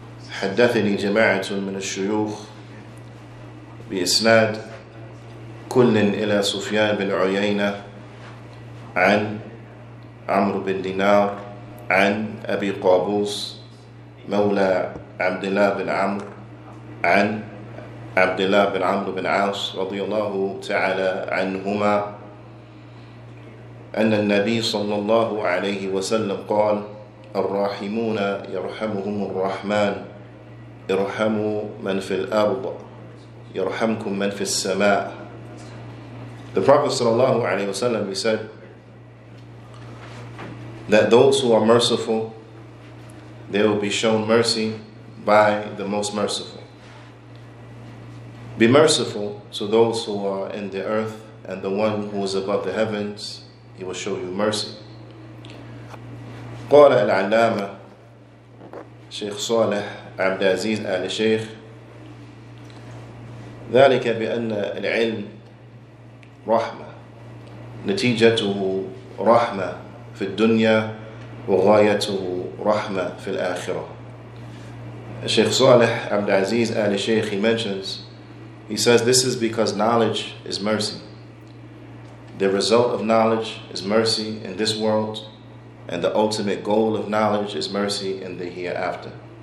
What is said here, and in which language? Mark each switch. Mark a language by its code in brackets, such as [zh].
[ar] حدثني جماعة من الشيوخ بإسناد كل إلى سفيان بن عيينة عن عمرو بن دينار عن أبي قابوس مولى عبد الله بن عمرو عن عبد الله بن عمرو بن عاص رضي الله تعالى عنهما أن النبي صلى الله عليه وسلم قال الراحمون يرحمهم الرحمن ارحموا من في الأرض يرحمكم من في السماء. [en] The Prophet صلى الله عليه وسلم he said that those who are merciful they will be shown mercy by the most merciful. Be merciful to those who are in the earth, and the one who is above the heavens, he will show you mercy. [ar] قال العلامة شيخ صالح عبد العزيز آل شيخ ذلك بأن العلم رحمة نتيجته رحمة في الدنيا وغايته رحمة في الآخرة. [en] Sheikh Saleh Abdulaziz al-Sheikh, he mentions, he says, this is because knowledge is mercy. The result of knowledge is mercy in this world, and the ultimate goal of knowledge is mercy in the hereafter.